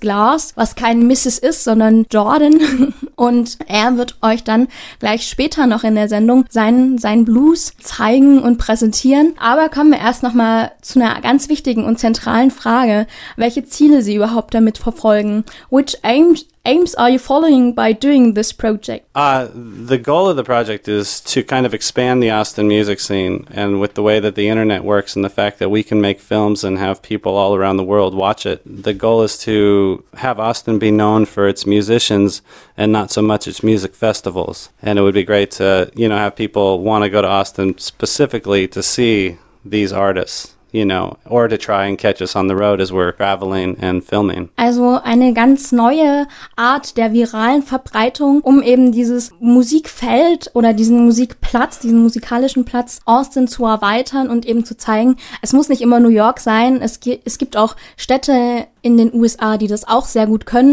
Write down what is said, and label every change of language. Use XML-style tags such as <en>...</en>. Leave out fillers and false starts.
<de>Glass, was kein Mrs. ist, sondern Jordan. Und er wird euch dann gleich später noch in der Sendung seinen Blues zeigen und präsentieren. Aber kommen wir erst nochmal zu einer ganz wichtigen und zentralen Frage, welche Ziele sie überhaupt damit verfolgen.</de> <en>Which aims are you following by doing this project? The goal of the project is to kind of expand the Austin music scene, and with the way that the internet works and the fact that we can make films and have people all around the world watch it, the goal is to have Austin be known for its musicians and not so much its music festivals. And it would be great to, you know, have people want to go to Austin specifically to see these artists, you know, or to try and catch us on the road as we're traveling and filming.</en> <de>Also eine ganz neue Art der viralen Verbreitung, um eben dieses Musikfeld oder diesen Musikplatz, diesen musikalischen Platz Austin zu erweitern und eben zu zeigen, es muss nicht immer New York sein, es gibt auch Städte in den USA, die das auch sehr gut können.</de>